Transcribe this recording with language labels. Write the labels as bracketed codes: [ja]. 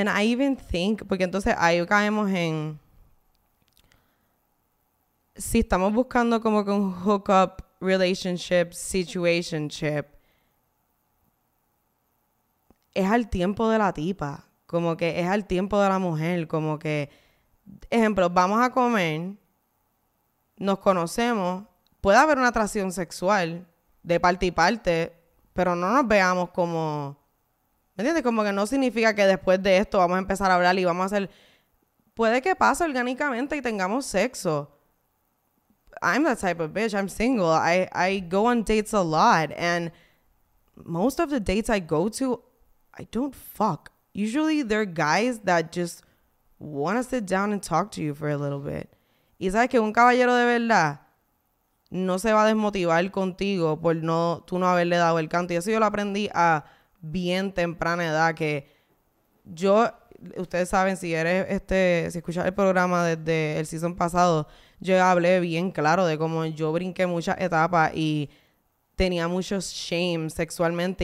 [en] And I even think, [es] porque entonces ahí caemos en, si estamos buscando como que un hookup relationship, situationship, es al tiempo de la tipa, como que es al tiempo de la mujer, como que, ejemplo, vamos a comer, nos conocemos, puede haber una atracción sexual, de parte y parte, pero no nos veamos como, ¿me entiendes? Como que no significa que después de esto vamos a empezar a hablar y vamos a hacer, puede que pase orgánicamente y tengamos sexo. [en] I'm that type of bitch. I'm single. I go on dates a lot, and most of the dates I go to, I don't fuck. Usually they're guys that just want to sit down and talk to you for a little bit. [es] Y sabes que un caballero de verdad no se va a desmotivar contigo por no, tú no haberle dado el canto. Y eso yo lo aprendí a bien temprana edad, que yo, ustedes saben, si eres este, si escuchas el programa desde el season pasado, yo hablé bien claro de cómo yo brinqué muchas etapas y tenía mucho shame sexualmente.